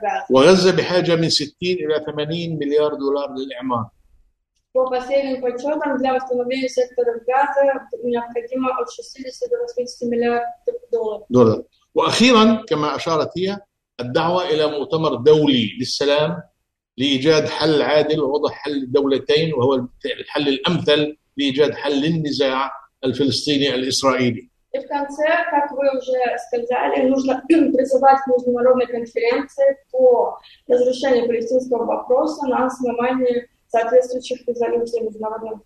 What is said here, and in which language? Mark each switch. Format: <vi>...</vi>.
<ar>وغزة بحاجة من 60 إلى 80 مليار دولار للإعمار. و</ar> <ru>По последним подсчетам, для восстановления сектора Газа необходимо от 60 до 80 миллиардов долларов.</ru> <ar>وأخيرا كما أشارت هي الدعوة إلى مؤتمر دولي للسلام لإيجاد حل عادل ووضع حل دولتين وهو الحل الأمثل لإيجاد حل للنزاع الفلسطيني الإسرائيلي.</ar> <ru>И в конце, как вы уже сказали, нужно призывать к международной конференции по разрешению палестинского вопроса на основании соответствующих резолюций международных</ru>